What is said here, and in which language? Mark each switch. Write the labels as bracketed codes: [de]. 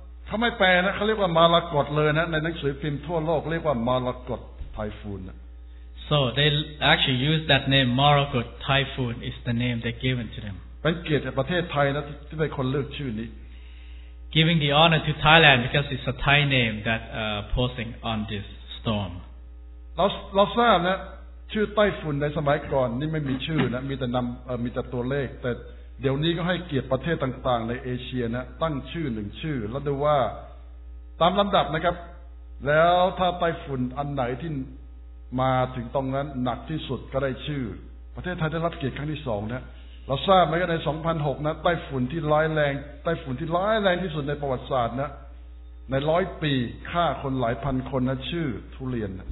[th] ทำไมแปลนะเขาเรียกว่ามรกตเลยนะในหนังสือพิมพ์ทั่วโลกเรียกว่ามรกตไต้ฝุ่น [en] So they actually use that name, Morokot Typhoon is the name they given to them. [th] เป็นเกียรติประเทศไทยนะที่เป็นคนเลือกชื่อนี้ [en] Giving the honor to Thailand because it's a Thai name that posing on this storm. [th] เราทราบนะชื่อไต้ฝุ่นในสมัยก่อนนี่ไม่มีชื่อนะมีแต่นำมีแต่ตัวเลขแต่เดี๋ยวนี้ก็ให้เกียรติประเทศต่างๆในเอเชียนะตั้งชื่อหนึ่งชื่อแล้วดูว่าตามลำดับนะครับแล้วถ้าไต้ฝุ่นอันไหนที่มาถึงตรงนั้นหนักที่สุดก็ได้ชื่อประเทศไทยได้รับเกียรติครั้งที่สองนะเราทราบไหมว่าใน2006นะไต้ฝุ่นที่ร้ายแรงไต้ฝุ่นที่ร้ายแรงที่สุดในประวัติศาสตร์นะในร้อยปีฆ่าคนหลายพันคนนะชื่อทุเรียน